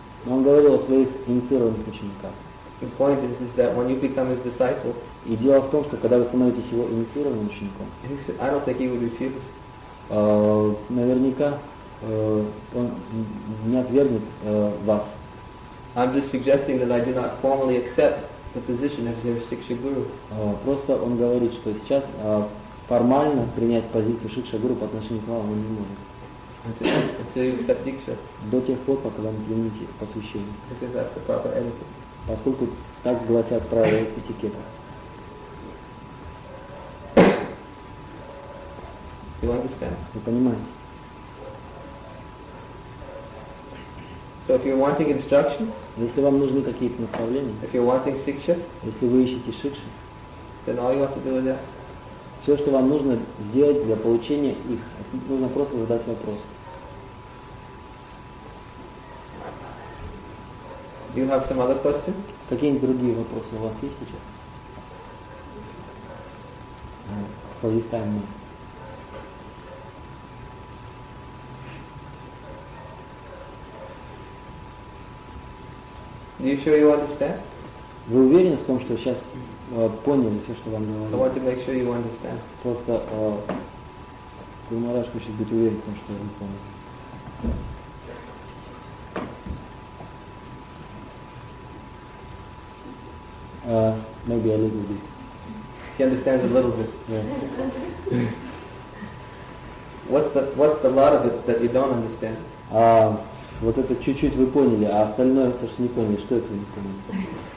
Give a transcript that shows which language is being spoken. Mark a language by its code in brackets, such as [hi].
[ru] Но он говорил о своих инициированных учениках. [en] The point is that when you become his disciple. [ru] И дело в том, что когда вы становитесь его инициированным учеником, [en] I don't think he would refuse. [ru] Наверняка он не отвергнет вас. [en] I'm just suggesting that I do not formally accept the position of their Shiksha Guru. [ru] Просто он говорит, что сейчас формально принять позицию Шикша Гуру по отношению к вам он не может. [en] Until you accept Diksha. [ru] До тех пор, пока вы не примете посвящение. [en] Because that's the proper etiquette. [ru] Поскольку так гласят правила этикета. [en] You understand? [ru] Вы понимаете? [en] So if you're wanting instruction, [ru] если вам нужны какие-то наставления, [en] if you're wanting siksha, [ru] если вы ищете шикшу, [en] then all you have to do is ask. [ru] Все, что вам нужно сделать для получения их, нужно просто задать вопрос. [en] Do you have some other question? [ru] Какие-нибудь другие вопросы у вас есть сейчас? Полистаем мы. [en] Are you sure you understand? [ru] Вы уверены в том, что сейчас поняли все, что вам говорили? [en] I want to make sure you understand. [ru] Просто Гурмараш хочет быть уверен в том, что он понял. [en] Maybe a little bit. He understands a little bit. Yeah. What's the lot of it that you don't understand? [ru] Вот это чуть-чуть вы поняли, а остальное то, что не поняли, что это вы не поняли?